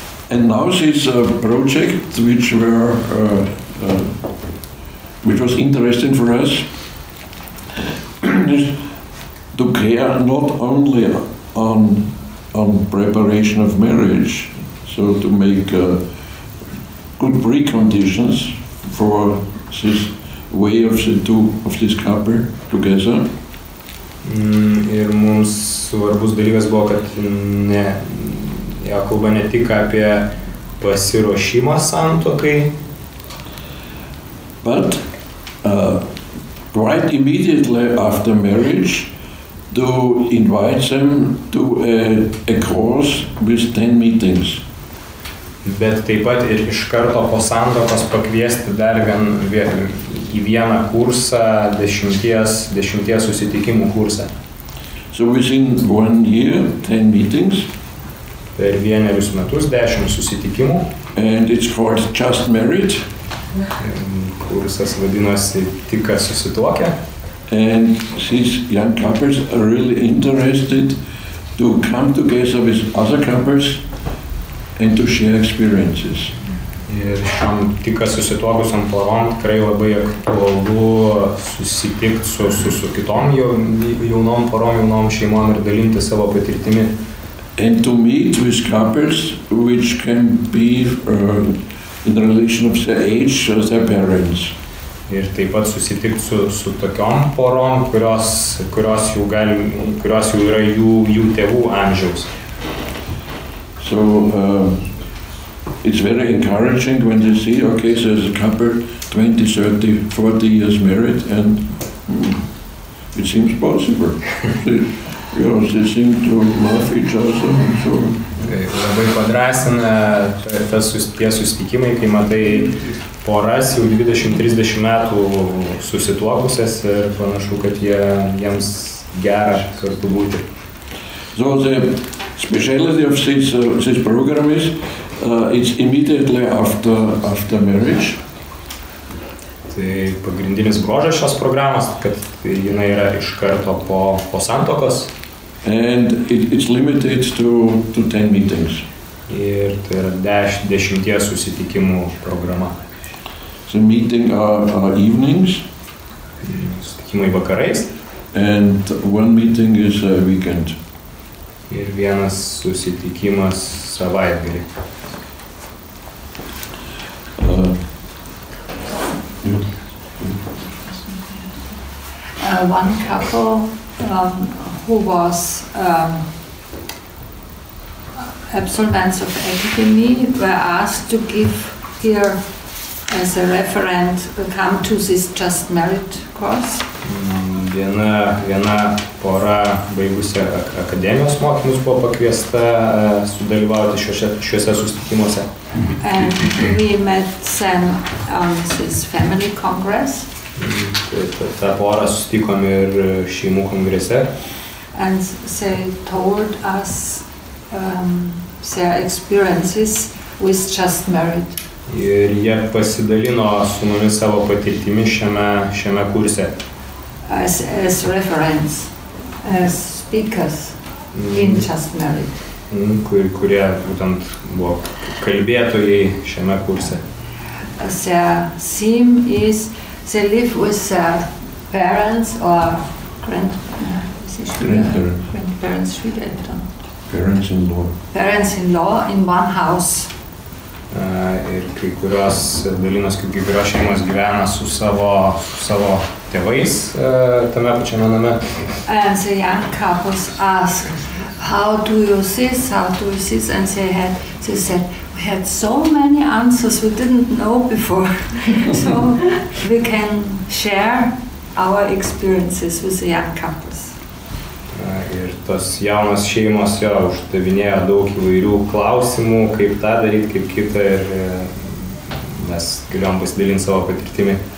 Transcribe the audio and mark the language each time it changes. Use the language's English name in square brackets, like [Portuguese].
[English] And now this is a project which were which was interesting for us to care not only on preparation of marriage, so to make good preconditions for this way of the two of this couple together. [Lithuanian] Ir mums svarbus dalykas buvo, kad ne, jo kalba ne tik apie pasiruošimą santuokai. [English] But right immediately after marriage to invite them to a course with 10 meetings. [Lithuanian] Bet taip pat ir iš karto po santuokos pakviesti dar gan į vieną kursą, dešimties susitikimų kursą. [English] So within one year, 10 meetings. [Lithuanian] Per vienerius metus 10 susitikimų. [English] And it's called Just Married. [Lithuanian] Kursas vadinasi Tik kas susituokia. [English] And these young couples are really interested to come together with other couples and to share experiences. [Lithuanian] Ir šiam tik susituokusiam porom tikrai labai aktualu susitikti su kitom jaunom porom, jaunom šeimom ir dalinti savo patirtimi. [English] And to meet with couples which can be in relation of their age or their parents. [Lithuanian] Ir taip pat susitikti su tokiom porom, kurios jau yra jų tėvų amžiaus. [English] So it's very encouraging when you see, okay, so there's a couple 20, 30, 40 years married and it seems possible. You know, they seem to love each other. So. [Lithuanian] Labai padrasina tie susitikimai, kai matai poras jau 20-30 metų susituokusias ir panašu, kad jiems gera kartu būti. [English] So the speciality of this program is it's immediately after marriage. [Lithuanian] Tai pagrindinis brožas šios programos, kad jinai yra iš karto po santokos. [English] And it's limited to 10 meetings. [Lithuanian] Ir tai yra 10 susitikimų programa. [English] The meeting are evenings. [Lithuanian] Susitikimai vakarais. [English] And one meeting is a weekend. [Lithuanian] Ir vienas susitikimas savaitgalį. [English] One couple who was absolvents of academy were asked to give here as a referent come to this Just Married course. [Lithuanian] Viena pora baigusi akademijos mokymus buvo pakviesta sudalyvauti šiuose susitikimuose. [English] And we met them on this family congress. [Lithuanian] Ta pora susitikom ir šeimų kongrese. [English] And they told us their experiences with Just Married. [Lithuanian] Ir jie pasidalino su mumis savo patirtimi šiame kurse. [English] As reference, as speakers in Just Married. [Lithuanian] Kurie būtent buvo kalbėtojai šiame kurse. [English] Their theme is they live with their parents or grandparents. Parents-in-law in one house. [Lithuanian] Ir kai kurios dalinos, kaip kurios šeimos gyvena su savo tėvais tame pačiame name. [English] And the young couples asked, how do you see this? And they said, we had so many answers we didn't know before. So we can share our experiences with the young couples. [Lithuanian] Ir tos jaunos šeimos jo uždavinėjo daug įvairių klausimų, kaip tą daryti, kaip kitą, ir mes galėjom pasidalinti savo patirtimį.